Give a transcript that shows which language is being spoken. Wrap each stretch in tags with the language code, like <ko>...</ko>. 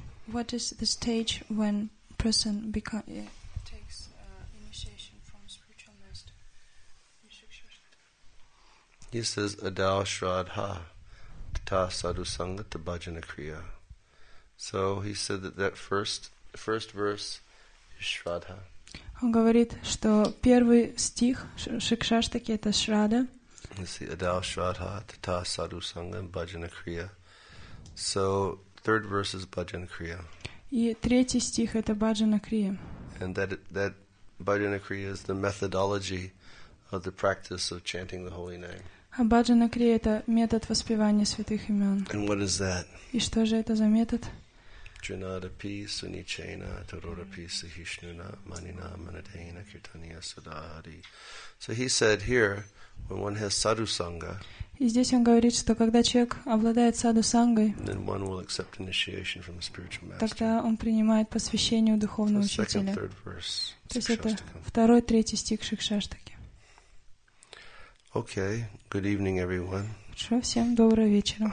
<en>What is the stage when person takes initiation from spiritual master? He says,</en> <sa>Adal Shraddha Tata Sadhu Sangha Tata Bhajana Kriya.</sa> <en>So he said that first verse is Shraddha.</en> <ru>Он говорит, что первый стих Шикшаштаки это Шрадда.</ru> <en>You see,</en> <sa>Adal Shraddha Tata Sadhu Sangha Bhajana Kriya.</sa> <en>So third verse is bhajan kriya.</en> <ru>И третий стих это bhajana kriya.</ru> <en>And that bhajana kriya is the methodology of the practice of chanting the holy name.</en> <ru>А bhajana kriya это метод воспевания святых имен.</ru> <en>And what is that?</en> <ru>И что же это за метод?</ru> <sa>Trinada pi sunichena tarora pi sahishnuna manina manadena kirtaniya sadadi.</sa> <en>So he said here, when one has sadhu sangha.</en> <ru>И здесь он говорит, что когда человек обладает саду-сангой,</ru> <en>then one will accept initiation from the spiritual master.</en> <ru>Тогда он принимает посвящение у духовного учителя.</ru> <en>Second, third verse,</en> <ru>то есть это второй, третий стих Шикшаштаки.</ru> <en>Okay. Good evening, everyone.</en> <ru>Хорошо, всем доброго вечера.</ru>